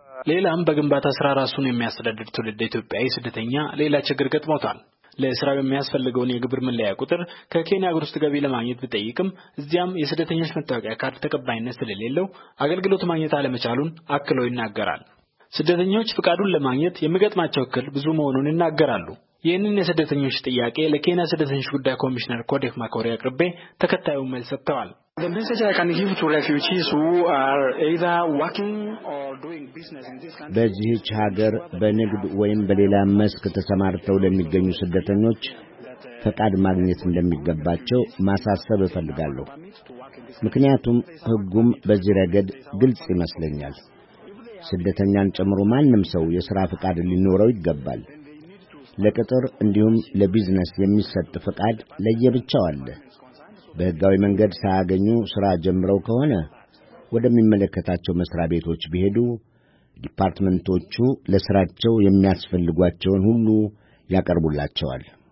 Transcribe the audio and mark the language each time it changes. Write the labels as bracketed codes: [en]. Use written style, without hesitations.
[am] ሌላም በግንባታ ሥራ ራሱን የሚያስተዳድር ትውልድ ኢትዮጵያዊ ስደተኛ ሌላ ችግር ገጥሞታል። ለስራ የሚያስፈልገውን የግብር መለያ ቁጥር ከኬንያ ሀገር ውስጥ ገቢ ለማግኘት ቢጠይቅም እዚያም የስደተኞች መታወቂያ ካርድ ተቀባይነት ስለሌለው አገልግሎት ማግኘት አለመቻሉን አክለው ይናገራል። ስደተኞች ፍቃዱን ለማግኘት የሚገጥማቸው እክል ብዙ መሆኑን ይናገራሉ። ይህንን የስደተኞች ጥያቄ ለኬንያ ስደተኞች ጉዳይ ኮሚሽነር ኮዴክ ማኮሪ አቅርቤ ተከታዩን መልስ ሰጥተዋል። [en] The message I can give to refugees who are either working or doing business in this country. [am] በዚህች ሀገር በንግድ ወይም በሌላ መስክ ተሰማርተው ለሚገኙ ስደተኞች ፈቃድ ማግኘት እንደሚገባቸው ማሳሰብ እፈልጋለሁ። ምክንያቱም ሕጉም በዚህ ረገድ ግልጽ ይመስለኛል። ስደተኛን ጨምሮ ማንም ሰው የሥራ ፈቃድ ሊኖረው ይገባል። ለቅጥር እንዲሁም ለቢዝነስ የሚሰጥ ፈቃድ ለየብቻው አለ። በሕጋዊ መንገድ ሳያገኙ ሥራ ጀምረው ከሆነ ወደሚመለከታቸው መሥሪያ ቤቶች ቢሄዱ ዲፓርትመንቶቹ ለሥራቸው የሚያስፈልጓቸውን ሁሉ ያቀርቡላቸዋል።